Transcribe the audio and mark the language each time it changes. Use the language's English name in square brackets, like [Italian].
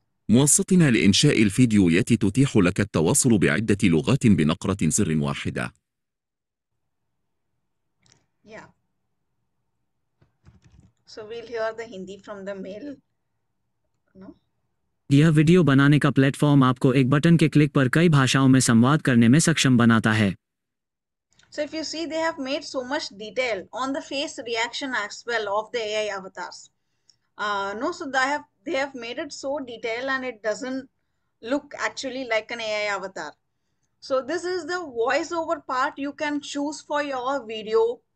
[Arabic] منصتنا لإنشاء الفيديوهات تتيح لك التواصل بعدة لغات بنقرة زر واحدة. [English] So we'll hear the Hindi from the mail. [Hindi] यह video बनाने का प्लेटफॉर्म आपको एक बटन के क्लिक पर कई भाषाओं में संवाद करने में सक्षम बनाता है। [English] So if you see, they have made so much detail on the face reaction as well of the AI avatars. So they have made it so detailed and it doesn't look actually like an AI avatar. So this is the voiceover part you can choose for your video.